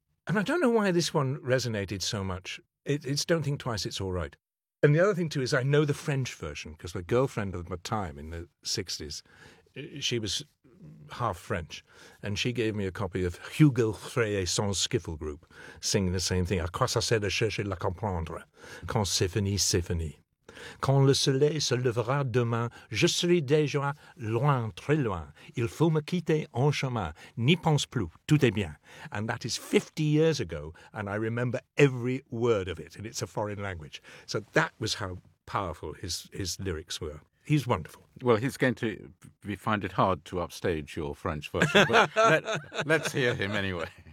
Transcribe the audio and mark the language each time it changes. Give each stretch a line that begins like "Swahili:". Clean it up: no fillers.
English: And I don't know why this one resonated so much. It's Don't Think Twice, It's All Right. And the other thing, too, is I know the French version because my girlfriend of my time in the 60s, she was half French, and she gave me a copy of Hugo Frey sans Skiffle Group singing the same thing.
French: A quoi ça sert de chercher la comprendre? Quand c'est fini, c'est fini. Quand le soleil se levera demain, je serai déjà loin, très loin. Il faut me quitter en chemin. N'y pense plus, tout est bien.
English: And that is 50 years ago, and I remember every word of it, and it's a foreign language. So that was how powerful his lyrics were. He's wonderful. Well, he's going to find it hard to upstage your French version, but let's hear him anyway.